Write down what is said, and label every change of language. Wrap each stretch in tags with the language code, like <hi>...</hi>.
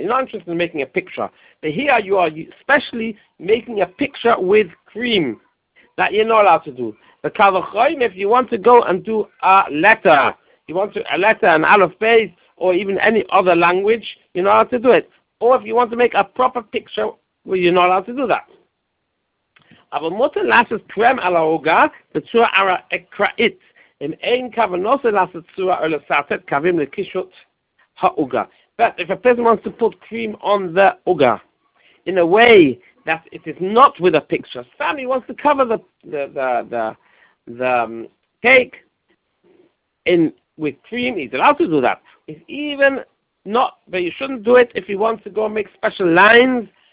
<en>You're not interested in making a picture. But here you are especially making a picture with cream that you're not allowed to do. The kavachoyim, if you want to go and do a letter, you want to a letter, an aleph beis, or even any other language, you're not allowed to do it. Or if you want to make a proper picture, well, you're not allowed to do that.</en> <he>אבל מותר לעשות קרם על העוגה בצורה אקראית. אם אין כוונות לעשות צורה או לסרטט קווים לקישוט העוגה.</he> <en>But if a person wants to put cream on the עוגה in a way that it is not with a picture, somebody wants to cover the cake in with cream, he's allowed to do that. It's even not, but you shouldn't do it if you want to go and make special lines.</en>